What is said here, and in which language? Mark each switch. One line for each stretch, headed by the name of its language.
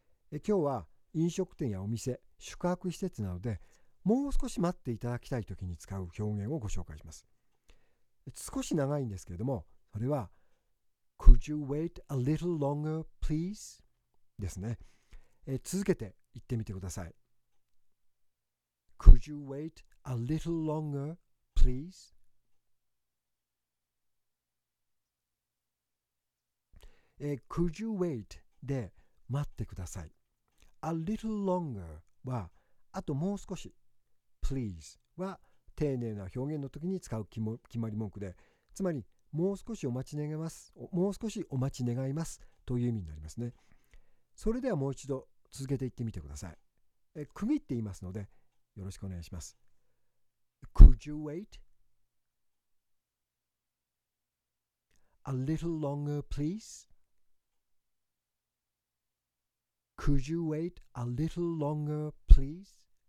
Japanese: 今日は飲食店やお店、宿泊施設などでもう少し待っていただきたいときに使う表現をご紹介します。少し長いんですけれども、それは
English: Could you wait a little longer, please?
Japanese: ですね。続けて言ってみてください。
English: Could you wait a little longer, please? Could you wait
Japanese: で待ってください。
English: A little longer
Japanese: はあともう少し。 Please は丁寧な表現の時に使う決まり文句で、つまりもう少しお待ち願います、もう少しお待ち願いますという意味になりますね。それではもう一度続けて言ってみてください。区切って言いますのでよろしくお願いします。
English: Could you wait a little longer please? Could you wait a little longer please?